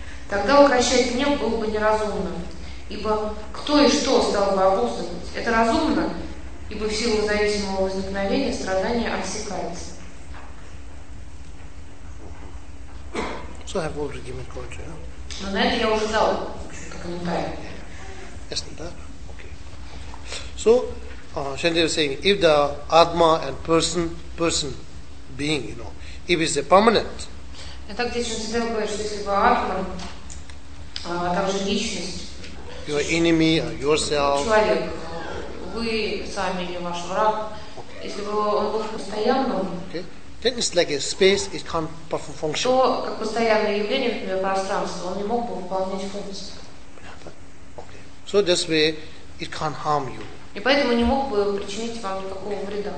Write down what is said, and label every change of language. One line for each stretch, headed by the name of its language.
Russian: Тогда укрощать гнев было бы неразумно, ибо кто и что стал бы обуздывать? Это разумно, ибо в силу зависимого возникновения страдания отсекается.
English: So I have already given quote, yeah?
Russian: Но на это я уже дал комментарий.
English: Yes, not that? Okay. So, Shantideva is saying, if the Atma and person, being, you know, if it's a permanent.
Russian: Итак, здесь он сделал говорит, что если бы атман, также личность,
English: your enemy, yourself,
Russian: человек, вы сами или ваш враг, okay. если бы он был постоянным, okay.
English: then it's like a space, it can't perform function.
Russian: То, как постоянное явление, например, пространство, он не мог бы выполнять функцию.
English: Okay. So this way, it can't harm you.
Russian: И поэтому не мог бы причинить вам никакого вреда.